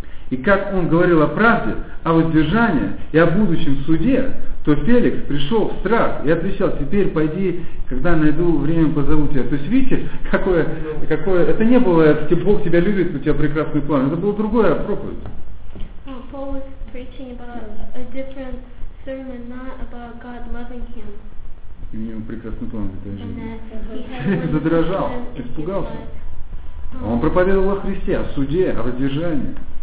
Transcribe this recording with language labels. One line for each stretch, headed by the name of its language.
Russian: И как он говорил о правде, о воздержании и о будущем суде, то Феликс пришел в страх и отвечал, теперь пойди, когда найду время, позову тебя. То есть видите, какое это не было, типа, Бог тебя любит, у тебя прекрасный план. Это было другое, проповедь.
English: Paul was preaching about a different sermon, not about God loving him.
Russian: И у него прекрасный план в этой жизни. Человек задрожал, испугался. Он проповедовал о Христе, о суде, о воздержании.